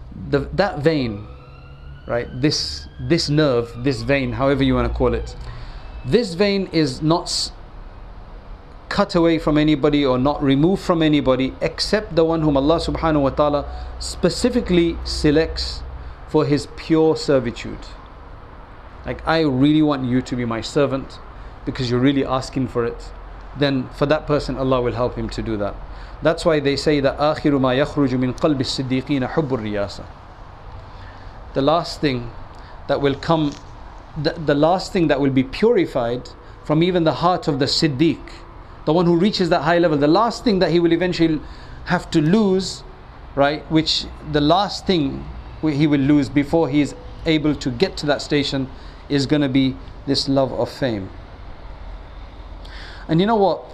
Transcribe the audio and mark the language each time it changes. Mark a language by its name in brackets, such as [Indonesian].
[English] That vein, right, this nerve, this vein, however you want to call it, this vein is not cut away from anybody or not removed from anybody except the one whom Allah subhanahu wa ta'ala specifically selects for His pure servitude. Like, I really want you to be my servant because you're really asking for it. Then for that person, Allah will help him to do that. That's why they say that [Arabic] آخِرُ مَا يَخْرُجُ مِنْ قَلْبِ الصِّدِّيقِينَ حُبُّ الرِّيَاسَةِ. [English] The last thing that will come, the last thing that will be purified from even the heart of the Siddiq, the one who reaches that high level, the last thing that he will eventually have to lose, right, which the last thing he will lose before he is able to get to that station is going to be this love of fame. And you know what?